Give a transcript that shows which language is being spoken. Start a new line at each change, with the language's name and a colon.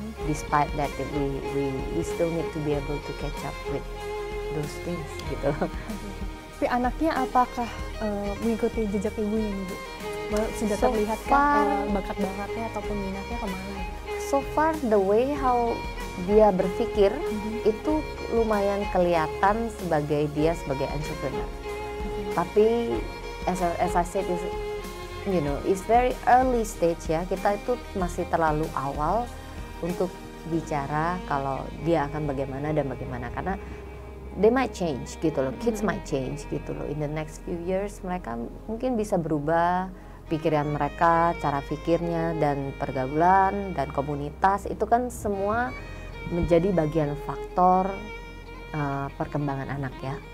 English: Despite that we still need to be able to catch up with those things
Indonesian: gitu. Tapi anaknya apakah mengikuti jejak ibunya nih, Bu? Sudah terlihat bakat-bakatnya ataupun minatnya kemana?
English: So far the way how
Indonesian: dia berpikir itu lumayan kelihatan sebagai dia sebagai entrepreneur. Tapi
English: as I said, you know, it's very early stage ya.
Indonesian: Kita itu masih terlalu awal untuk bicara kalau dia akan bagaimana dan bagaimana, karena
English: they might change
Indonesian: gitu loh.
English: Kids might change
Indonesian: gitu loh.
English: In the next few years
Indonesian: mereka mungkin bisa berubah pikiran mereka, cara pikirnya dan pergaulan dan komunitas itu kan semua menjadi bagian faktor perkembangan anak ya.